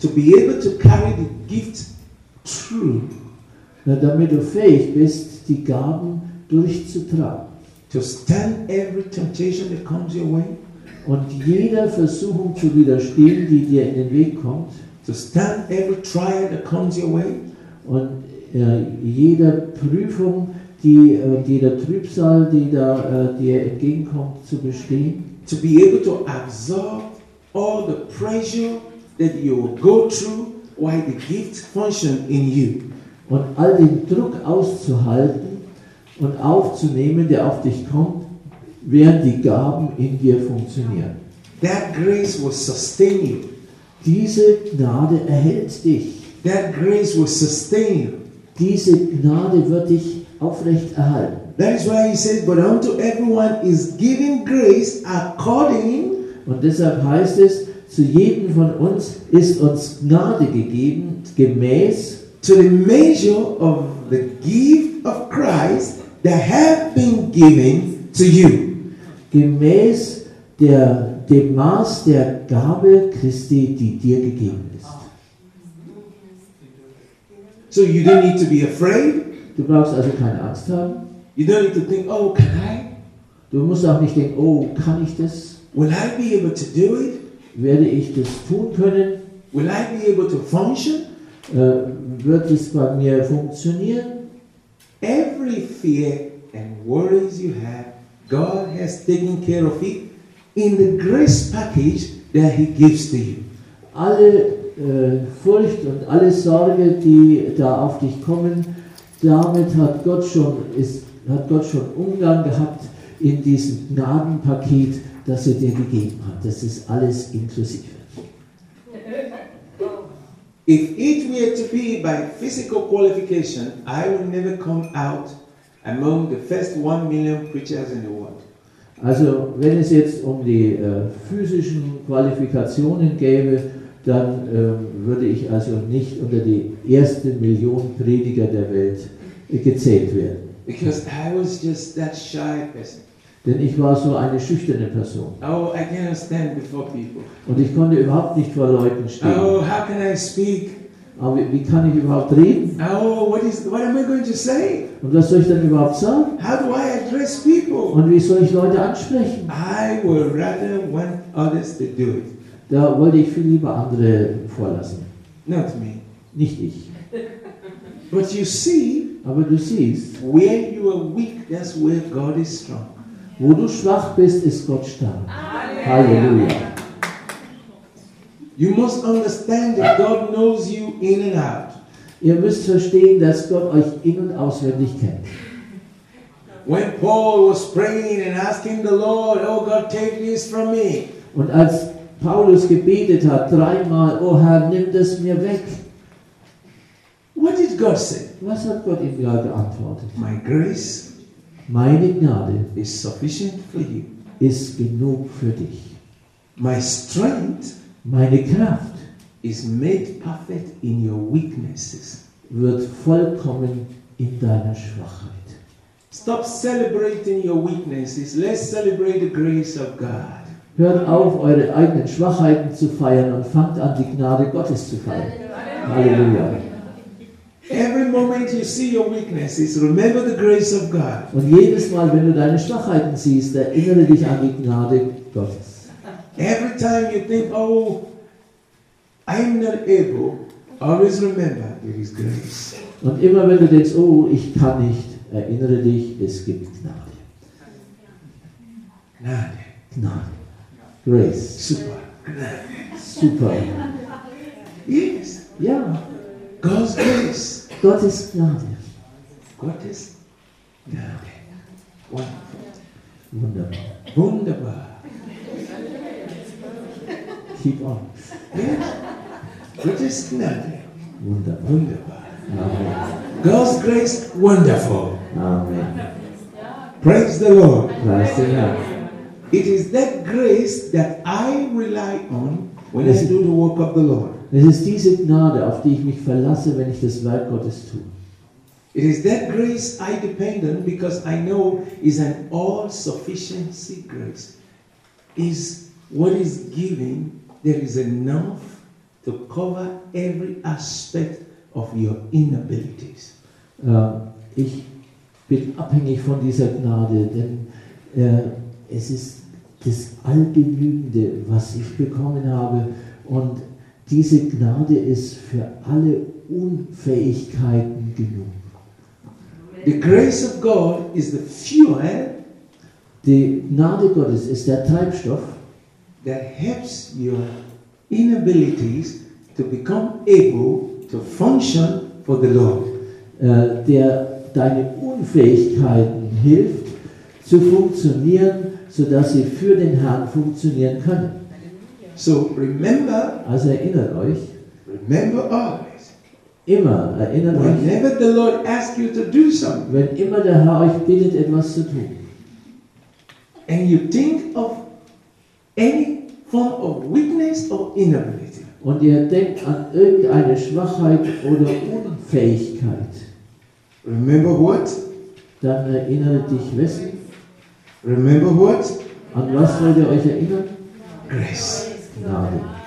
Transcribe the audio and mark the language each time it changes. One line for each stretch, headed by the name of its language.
English: to be able to carry the gift through.
German: Damit du fähig bist, die Gaben durchzutragen.
English: To stand every temptation that comes your way.
German: Und jeder Versuchung zu widerstehen, die dir in den Weg kommt.
English: To stand every trial that comes your way.
German: Und jede Prüfung, jeder Trübsal, die da dir entgegenkommt, zu bestehen.
English: To be able to absorb all the pressure that you will go through while the gift functions in you.
German: Und all den Druck auszuhalten und aufzunehmen, der auf dich kommt, während die Gaben in dir funktionieren.
English: That grace will sustain you.
German: Diese Gnade erhält dich.
English: That grace will sustain you.
German: Diese Gnade wird dich aufrecht erhalten.
English: That is why he said, but unto everyone is given grace according.
German: Und deshalb heißt es, zu jedem von uns ist uns Gnade gegeben, gemäß.
English: To the measure of the gift of Christ that have been given to you.
German: Gemäß dem Maß der Gabe Christi, die dir gegeben ist.
English: So you don't need to be afraid.
German: Du brauchst also keine Angst haben.
English: You don't need to think, oh, can I?
German: Du musst auch nicht denken, oh, kann ich das?
English: Will I be able to do it?
German: Werde ich das tun können?
English: Will I be able to function?
German: Wird es bei mir funktionieren?
English: Every fear and worries you have, God has taken care of it. In the grace package that he gives to you.
German: Alle Furcht und alle Sorge, die da auf dich kommen, damit hat Gott schon Umgang gehabt in diesem Gnadenpaket, das er dir gegeben hat. Das ist alles inklusive.
English: If it were to be by physical qualification, I would never come out among the first 1 million preachers in the world.
German: Also, wenn es jetzt um die physischen Qualifikationen gäbe, dann würde ich also nicht unter die erste Million Prediger der Welt gezählt werden.
English: Because I was just that shy person.
German: Denn ich war so eine schüchterne Person.
English: Oh, I can't stand before people.
German: Und ich konnte überhaupt nicht vor Leuten stehen.
English: Oh, how can I speak?
German: Aber wie kann ich überhaupt reden?
English: Oh, what am I going to say?
German: Und was soll ich dann überhaupt sagen?
English: How do I address people?
German: Und wie soll ich Leute ansprechen?
English: I would rather want others to do it.
German: Da wollte ich viel lieber andere vorlassen.
English: Not me.
German: Nicht ich.
English: But you see,
German: aber du siehst,
English: where you are weak, that's where God is strong.
German: Wo du schwach bist, ist Gott stark. Halleluja. Halleluja.
English: You must understand that God knows you in and out.
German: Ihr müsst verstehen, dass Gott euch in- und auswendig kennt.
English: When Paul was praying and asking the Lord, oh God, take this from me.
German: Und als Paulus gebetet hat dreimal, oh Herr, nimm das mir weg.
English: What did God say?
German: Was hat Gott ihm da geantwortet?
English: My grace,
German: meine Gnade,
English: is sufficient for you.
German: Ist genug für dich.
English: My strength,
German: meine Kraft,
English: is made perfect in your weaknesses.
German: Wird vollkommen in deiner Schwachheit.
English: Stop celebrating your weaknesses. Let's celebrate the grace of God.
German: Hört auf, eure eigenen Schwachheiten zu feiern und fangt an, die Gnade Gottes zu feiern. Halleluja.
English: Every moment you see your weaknesses, remember the grace of God.
German: Und jedes Mal, wenn du deine Schwachheiten siehst, erinnere dich an die Gnade Gottes.
English: Every time you think, oh, I'm not able, always remember there is grace.
German: Und immer wenn du denkst, oh, ich kann nicht, erinnere dich, es gibt Gnade. Gnade. Gnade.
English: Grace.
German: Super. Gnade. Super.
English: Yes.
German: Ja.
English: God's grace.
German: Gottes Gnade. Gottes Gnade. Wunderbar. Wunderbar.
English: Keep on. Yes.
German: Gottes Gnade. Wunderbar. Wunderbar.
English: Amen. God's grace, wonderful. Amen. Praise the Lord. Praise the Lord. It is that grace that I rely on when I do the work of the Lord.
German: Es ist diese Gnade, auf die ich mich verlasse, wenn ich das Werk Gottes tue.
English: It is that grace I depend on because I know is an all-sufficiency grace. Is what is given, there is enough to cover every aspect of your inabilities.
German: Ich bin abhängig von dieser Gnade, denn es ist das Allgenügende, was ich bekommen habe. Und diese Gnade ist für alle Unfähigkeiten genug.
English: The grace of God is the fuel.
German: Die Gnade Gottes ist der Treibstoff,
English: that helps your inabilities to become able to function for the Lord.
German: Der deine Unfähigkeiten hilft, zu funktionieren, sodass sie für den Herrn funktionieren können.
English: So remember,
German: also erinnert euch,
English: remember always,
German: immer erinnert euch,
English: whenever the Lord asks you to do something,
German: wenn immer der Herr euch bittet, etwas zu tun,
English: and you think of any form of weakness or inability,
German: und ihr denkt an irgendeine Schwachheit oder Unfähigkeit,
English: remember what?
German: Dann erinnere dich wessen?
English: Remember what?
German: An was wollt ihr euch erinnern?
English: Grace.
German: Gnade.